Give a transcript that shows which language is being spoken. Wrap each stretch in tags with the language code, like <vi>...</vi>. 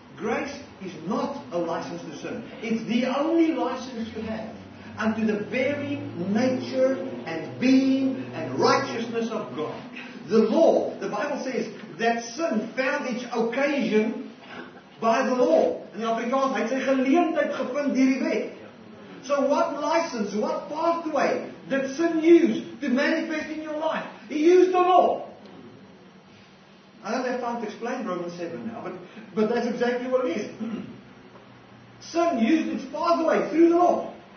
<en>Grace is not a license to sin. It's the only license you have unto the very nature and being and righteousness of God. The law, the Bible says that sin found its occasion by the law. In the Afrikaans,</en> <af>hy het sy geleentheid gevind hierdie wet.</af> <en>So what license, what pathway did sin use to manifest in your life? He used the law. I don't have time to explain Romans 7 now, but that's exactly what it is. Sin used its pathway through the law.</en>